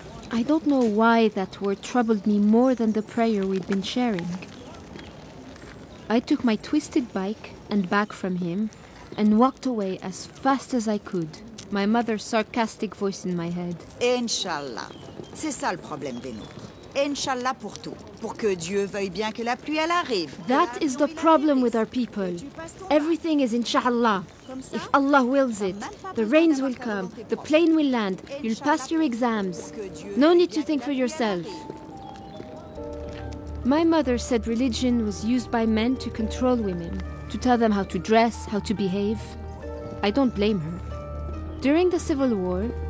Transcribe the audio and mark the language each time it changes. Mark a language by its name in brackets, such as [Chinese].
[English] I don't know why that word troubled me more than the prayer we'd been sharing. I took my twisted bike and bag from him and walked away as fast as I could, my mother's sarcastic voice in my head. [Arabic] Inshallah. [French] C'est ça le problème des nôtres. Inshallah pour tout. Pour que Dieu veuille bien que la pluie elle arrive. [English] That is the problem with our people. Everything is inshallah. If Allah wills it, the rains will come, the plane will land, you'll pass your exams. No need to think for yourself. My mother said religion was used by men to control women, to tell them how to dress, how to behave. I don't blame her. During the Civil War,